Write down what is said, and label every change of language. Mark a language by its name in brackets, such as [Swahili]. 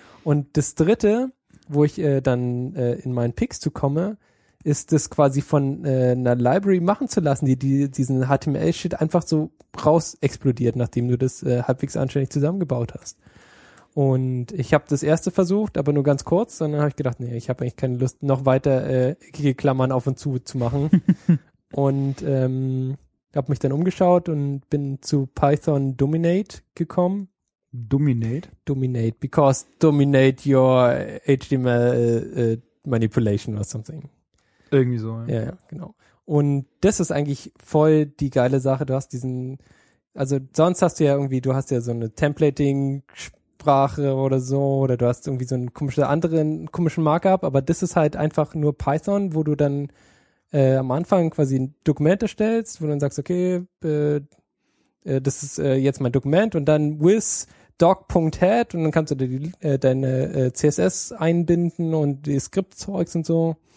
[German] Und das dritte, wo ich dann in meinen Picks zukomme, ist das quasi von einer Library machen zu lassen, die diesen HTML-Shit einfach so raus explodiert, nachdem du das halbwegs anständig zusammengebaut hast. Und ich habe das erste versucht, aber nur ganz kurz. Und dann habe ich gedacht, nee, ich habe eigentlich keine Lust, noch weiter eckige Klammern auf und zu machen. Und habe mich dann umgeschaut und bin zu Python Dominate gekommen. Dominate? [English] Dominate, because dominate your HTML manipulation or something. [German] Irgendwie so, ja. Ja, genau. Und das ist eigentlich voll die geile Sache. Du hast diesen, also sonst hast du ja irgendwie, du hast ja so eine Templating-Sprache oder so, oder du hast irgendwie so einen komischen Markup, aber das ist halt einfach nur Python, wo du dann am Anfang quasi ein Dokument erstellst, wo du dann sagst, okay, das ist jetzt mein Dokument und dann with doc.head und dann kannst du deine CSS einbinden und die Skriptzeugs und so.